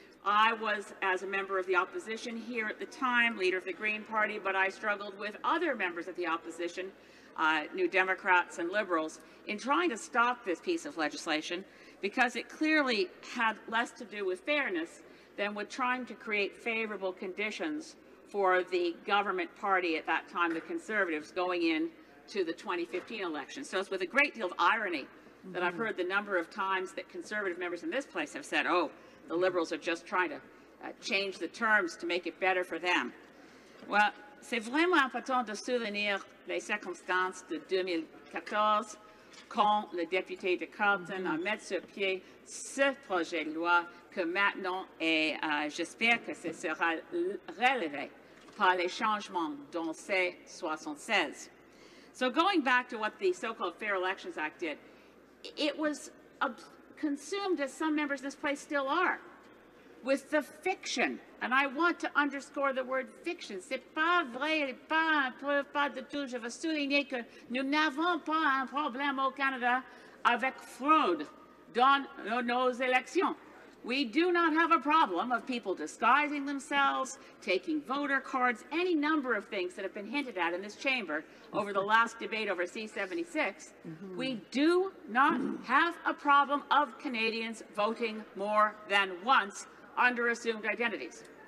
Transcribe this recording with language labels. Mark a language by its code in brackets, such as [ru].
[en] I was, as a member of the opposition here at the time, leader of the Green Party, but I struggled with other members of the opposition, New Democrats and Liberals, in trying to stop this piece of legislation, because it clearly had less to do with fairness than with trying to create favorable conditions for the government party at that time, the Conservatives, going in to the 2015 election. So it's with a great deal of irony that I've heard the number of times that Conservative members in this place have said, oh, the Liberals are just trying to change the terms to make it better for them. [fr] Well, c'est vraiment important de souvenir les circonstances de 2014 quand le député de Carleton a mis sur pied ce projet de loi que maintenant et j'espère que ce sera relevé par les changements dans C-76. [en] So going back to what the so-called Fair Elections Act did, it was consumed, as some members of this place still are, with the fiction. And I want to underscore the word fiction. [fr] C'est pas vrai, pas un peu, pas de tout. Je veux souligner que nous n'avons pas un problème au Canada avec fraude dans nos élections. [en] We do not have a problem of people disguising themselves, taking voter cards, any number of things that have been hinted at in this chamber over the last debate over C-76. Mm-hmm. We do not have a problem of Canadians voting more than once under assumed identities.